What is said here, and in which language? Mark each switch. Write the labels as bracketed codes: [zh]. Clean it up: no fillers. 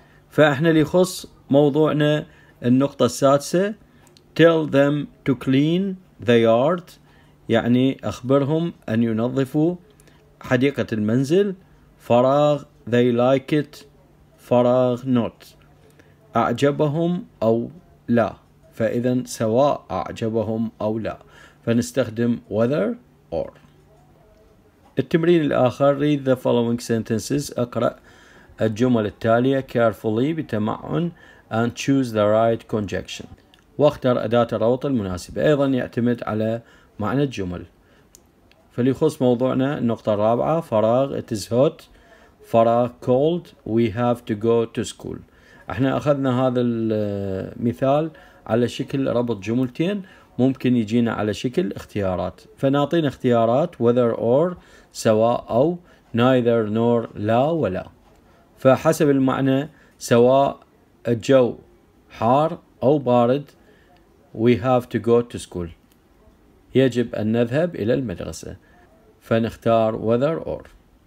[ar] فإحنا اللي يخص موضوعنا النقطة السادسة [en] tell them to clean the yard [ar] يعني أخبرهم أن ينظفوا حديقة المنزل. فراغ [en] they like it [ar] فراغ not أعجبهم أو لا. فإذا سواء أعجبهم أو لا فنستخدم whether or. التمرين الآخر [en] read the following sentences. [ar] أقرأ الجمل التالية carefully بتمعن [en] and choose the right conjunction [ar] واختر أداة الربط المناسبة. أيضا يعتمد على معنى الجمل. فليخص موضوعنا النقطة الرابعة فراغ [en] it is hot فراغ cold we have to go to school. [ar] احنا اخذنا هذا المثال على شكل ربط جملتين ممكن يجينا على شكل اختيارات، فنعطينا اختيارات whether or سواء او neither nor لا ولا، فحسب المعنى سواء الجو حار او بارد [en] we have to go to school، [ar] يجب ان نذهب الى المدرسة، فنختار whether or.